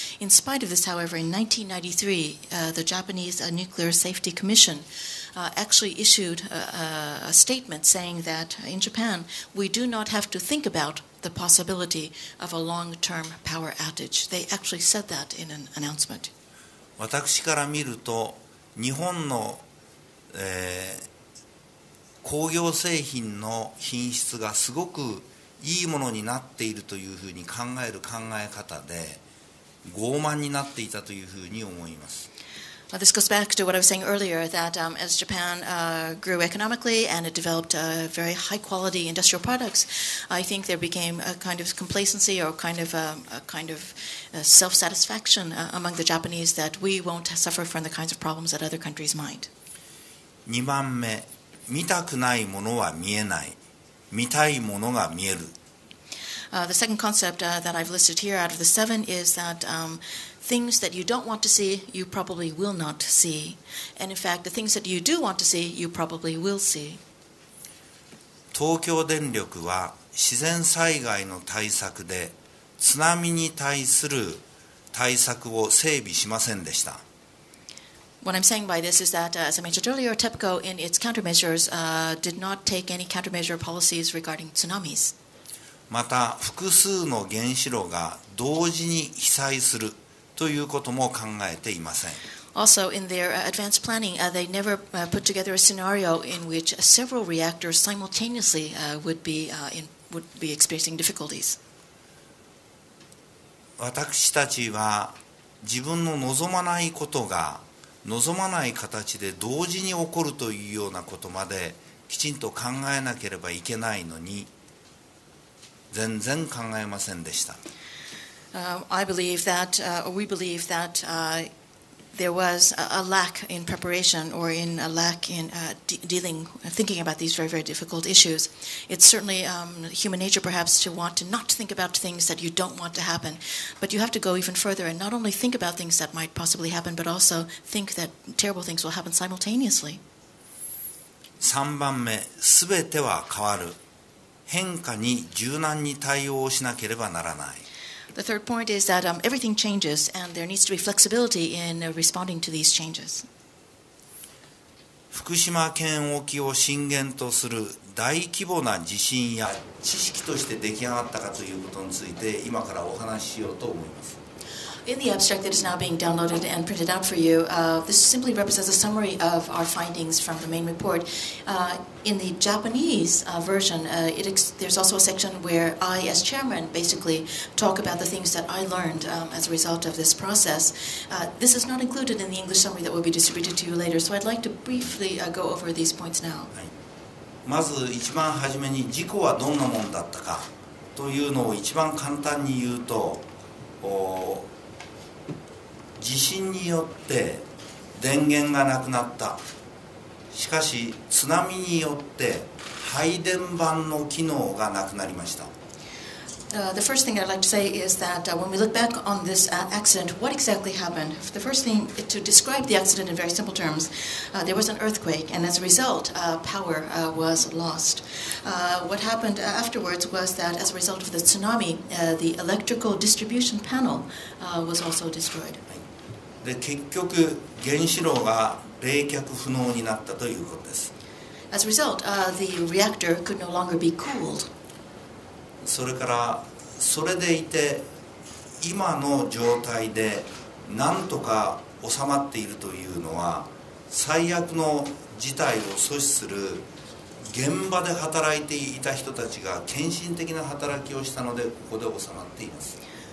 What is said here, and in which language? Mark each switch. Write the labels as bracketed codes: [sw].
[en] In spite of this, however, in 1993, the Japanese Nuclear Safety Commission actually issued a statement saying that in Japan, we do not have to think about the possibility of a long-term power outage. They actually said that in an announcement. [ja] 私から見ると日本の、工業製品の品質がすごくいいものになっているというふうに考える考え方で傲慢になっていたというふうに思います。 [en] Well, this goes back to what I was saying earlier, that as Japan grew economically and it developed very high-quality industrial products, I think there became a kind of complacency or a kind of self-satisfaction among the Japanese that we won't suffer from the kinds of problems that other countries might. [ja] 2番目、見たくないものは見えない。見たいものが見える。 [en] The second concept that I've listed here out of the seven is that things that you don't want to see, you probably will not see. And in fact, the things that you do want to see, you probably will see. [ja] 東京電力は自然災害の対策で津波に対する対策を整備しませんでした。 [en] What I'm saying by this is that, as I mentioned earlier, TEPCO in its countermeasures did not take any countermeasure policies regarding tsunamis. [ja] また複数の原子炉が同時に被災する。ということも考えていません。 [en] Also, in their advanced planning, they never put together a scenario in which several reactors simultaneously would be experiencing difficulties. [ja] 私たちは自分の望まないことが望まない形で同時に起こるというようなことまできちんと考えなければいけないのに、全然考えませんでした。 [en] I believe that, or we believe that there was a lack in preparation or in a lack in dealing, thinking about these very, very difficult issues. It's certainly human nature perhaps to want to not think about things that you don't want to happen, but you have to go even further and not only think about things that might possibly happen, but also think that terrible things will happen simultaneously. [ja] 3番目、すべては変わる。変化に柔軟に対応しなければならない。 [en] The third point is that everything changes and there needs to be flexibility in responding to these changes. [ja] 福島県沖を震源とする大規模な地震や知識として出来上がったかということについて今からお話ししようと思います。 [en] In the abstract that is now being downloaded and printed out for you, this simply represents a summary of our findings from the main report. In the Japanese version, there's also a section where I, as chairman, basically talk about the things that I learned as a result of this process. This is not included in the English summary that will be distributed to you later, so I'd like to briefly go over these points now. [ja] まず一番初めに事故はどんなものだったかというのを一番簡単に言うと、地震によって電源がなくなった。しかし津波によって配電盤の機能がなくなりました。 [en] The first thing I'd like to say is that when we look back on this accident, what exactly happened? The first thing to describe the accident in very simple terms, there was an earthquake, and as a result, power was lost. What happened afterwards was that as a result of the tsunami, the electrical distribution panel was also destroyed. [ja] で結局原子炉が冷却不能になったということです。 [en] As a result, the reactor could no longer be cooled. [ja] それからそれでいて今の状態でなんとか収まっているというのは最悪の事態を阻止する現場で働いていた人たちが献身的な働きをしたのでここで収まっています。